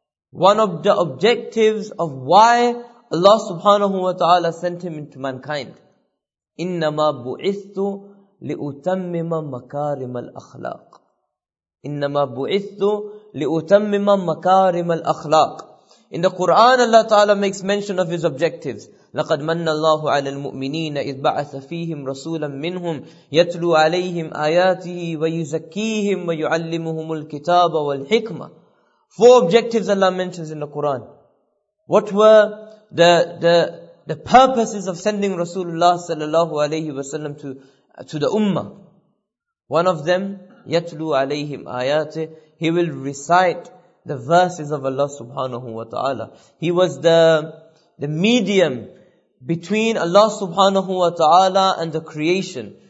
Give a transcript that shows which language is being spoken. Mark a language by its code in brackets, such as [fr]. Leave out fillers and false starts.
[en] One of the objectives of why Allah subhanahu wa ta'ala sent him into mankind. [ar] إِنَّمَا بُعِثْتُ لِأُتَمِّمَ مَكَارِمَ الْأَخْلَاقِ إِنَّمَا بُعِثْتُ لِأُتَمِّمَ مَكَارِمَ الْأَخْلَاقِ [en] In the Quran, Allah Ta'ala makes mention of his objectives. [ar] لَقَدْ مَنَّ اللَّهُ عَلَى الْمُؤْمِنِينَ إِذْ بَعَثَ فِيهِمْ رَسُولًا مِّنْهُمْ يَتْلُو عَلَيْهِمْ آيَاتِهِ وَيُزَكِّيهِمْ وَيُعَلِّمُهُمُ الْكِتَابَ وَالْحِكْمَةِ [en] Four objectives Allah mentions in the Quran. What were the purposes of sending Rasulullah sallallahu alayhi wa sallam to the ummah? One of them, [ar] يَتْلُو عَلَيْهِمْ آيَاتِهِ [en] He will recite the verses of Allah subhanahu wa ta'ala. He was the medium between Allah subhanahu wa ta'ala and the creation.